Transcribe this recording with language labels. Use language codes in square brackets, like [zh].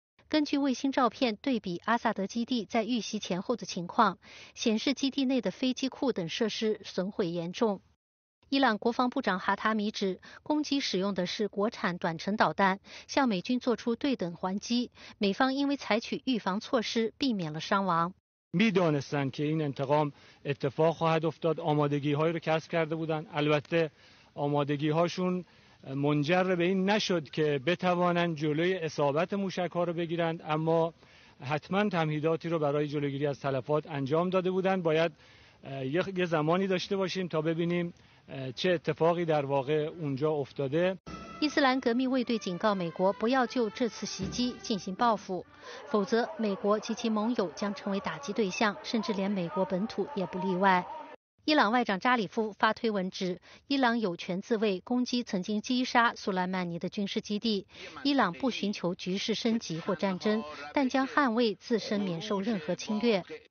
[zh] 根据卫星照片对比阿萨德基地在遇袭前后的情况，显示基地内的飞机库等设施损毁严重。伊朗国防部长哈塔米指攻击使用的是国产短程导弹，向美军做出对等还击，美方因为采取预防措施避免了伤亡。 [fa] می دانستند که این انتقام اتفاق خواهد افتاد، آمادگی های رو کسب کرده بودند، البته آمادگی هاشون منجر به این نشد که بتوانند جلوی اصابت موشک ها رو بگیرند، اما حتما تمهیداتی رو برای جلوگیری از تلفات انجام داده بودند. باید یه زمانی داشته باشیم تا ببینیم چه اتفاقی در واقع اونجا افتاده. [zh] 伊斯兰革命卫队警告美国不要就这次袭击进行报复，否则美国及其盟友将成为打击对象，甚至连美国本土也不例外。伊朗外长扎里夫发推文指伊朗有权自卫，攻击曾经击杀苏莱曼尼的军事基地，伊朗不寻求局势升级或战争，但将捍卫自身免受任何侵略。